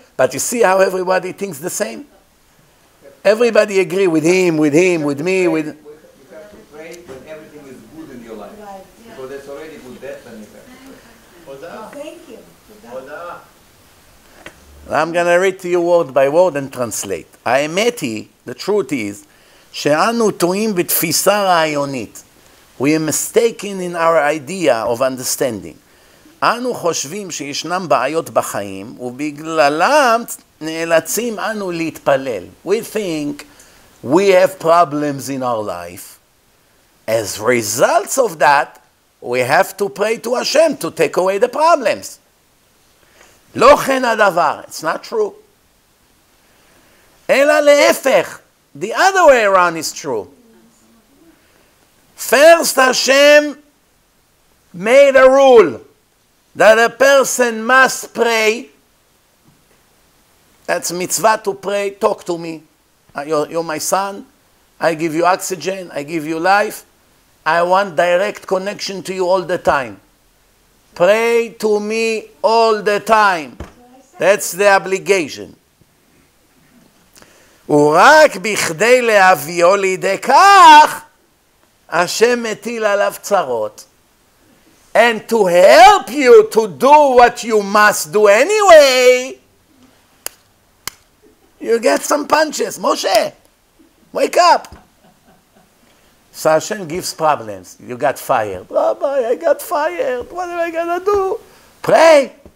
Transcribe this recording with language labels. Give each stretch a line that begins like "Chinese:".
English: But you see how everybody thinks the same? Everybody agree with him, with him, with me. With. You have to pray when everything is good in your life. Because that's already good death and you have to pray. Thank you. I'm going to read to you word by word and translate.
Hebrew: האמת היא,
English: the truth is,
Hebrew: שאנו טועים בתפיסה רעיונית.
English: We are mistaken in our idea of understanding.
Hebrew: אנו חושבים שישנם בעיות בחיים, ובגללם נאלצים אנו להתפלל.
English: We think we have problems in our life. As results of that, we have to pray to Hashem to take away the problems.
Hebrew: לא כן הדבר.
English: It's not true.
Hebrew: אלא להפך.
English: The other way around is true. First, Hashem made a rule that a person must pray. That's mitzvah to pray. Talk to me. You're my son. I give you oxygen. I give you life. I want direct connection to you all the time. Pray to me all the time. That's the obligation.
Hebrew: ורק בכדי להביאו לידי כך, השם מטיל עליו צרות.
English: And to help you to do what you must do anyway, you get some punches. Moshe, wake up. So Hashem gives problems. You got fired. Rabbi, I got fired. What am I going to do? Pray.